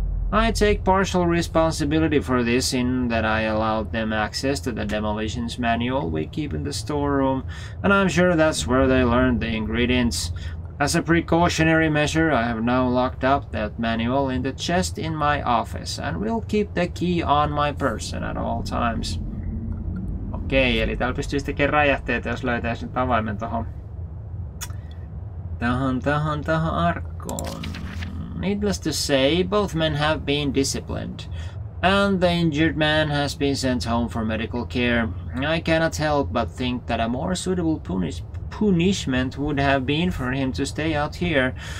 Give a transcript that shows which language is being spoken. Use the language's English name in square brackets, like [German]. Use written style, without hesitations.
[English] I take partial responsibility for this in that I allowed them access to the demolitions manual we keep in the storeroom, and I'm sure that's where they learned the ingredients. As a precautionary measure, I have now locked up that manual in the chest in my office and will keep the key on my person at all times. [Finnish] Okei, eli täällä pystyy tekemään räjähteitä, jos löytää sen avaimen tuohon. Tähän arkkoon. [English] Needless to say, both men have been disciplined. And the injured man has been sent home for medical care. I cannot help but think that a more suitable punishment would have been for him to stay out here.